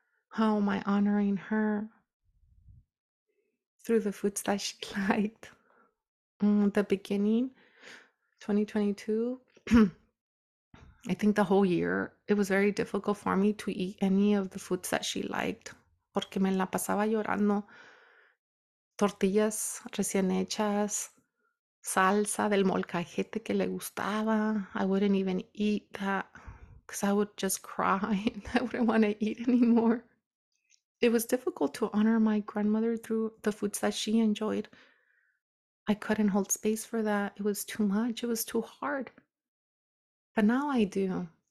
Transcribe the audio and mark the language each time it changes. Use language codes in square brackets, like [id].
[en] How am I honoring her? Through the foods that she liked. The beginning, 2022, I think the whole year, it was very difficult for me to eat any of the foods that she liked. [es] Porque me la pasaba llorando. Tortillas recién hechas, salsa del molcajete que le gustaba. [en] I wouldn't even eat that because I would just cry. I wouldn't want to eat anymore. It was difficult to honor my grandmother through the foods that she enjoyed. I couldn't hold space for that. It was too much. It was too hard. But now I do.